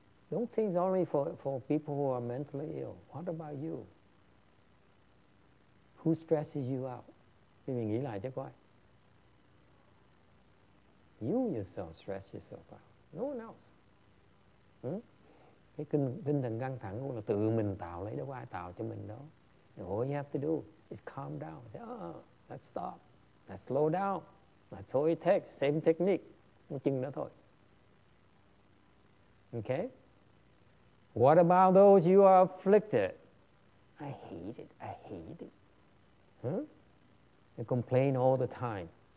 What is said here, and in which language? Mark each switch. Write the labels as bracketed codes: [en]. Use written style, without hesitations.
[en] Don't think it's only for people who are mentally ill. What about you? Who stresses you out? [vi] Thì mình nghĩ lại chứ coi. [en] You yourself stress yourself out. No one else. [vi] Cái tinh thần căng thẳng là tự mình tạo lấy, đâu có ai tạo cho mình đâu. [en] All you have to do is calm down. Say, let's stop. Let's slow down. That's all it takes. Same technique. [vi] Một chừng đó thôi. [en] Okay? What about those you are afflicted? I hate it. You complain all the time.